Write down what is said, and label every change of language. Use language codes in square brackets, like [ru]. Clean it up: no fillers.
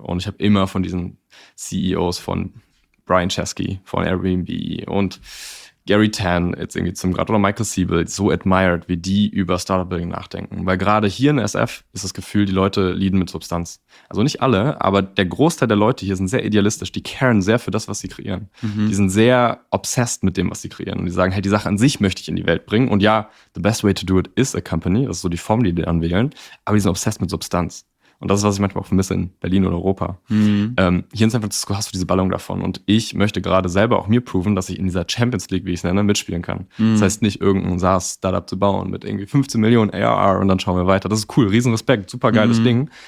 [de] Und ich habe immer von diesen CEOs von Brian Chesky, von Airbnb und Gary Tan jetzt irgendwie zum Grad oder Michael Siebel so admired, wie die über Startup-Building nachdenken. Weil gerade hier in SF ist das Gefühl, die Leute leaden mit Substanz. Also nicht alle, aber der Großteil der Leute hier sind sehr idealistisch. Die caren sehr für das, was sie kreieren. Mhm. Die sind sehr obsessed mit dem, was sie kreieren. Und die sagen, hey, die Sache an sich möchte ich in die Welt bringen. Und ja, [en] the best way to do it is a company. [de] Das ist so die Form, die die dann wählen. Aber die sind obsessed mit Substanz. Und das ist, was ich manchmal auch vermisse in Berlin oder Europa. Mhm. Hier in San Francisco hast du diese Ballung davon. Und ich möchte gerade selber auch mir proven, dass ich in dieser Champions League, wie ich es nenne, mitspielen kann. Mhm. Das heißt nicht irgendein SaaS-Startup zu bauen mit irgendwie 15 Millionen ARR und dann schauen wir weiter. Das ist cool, riesen Respekt, super geiles Ding.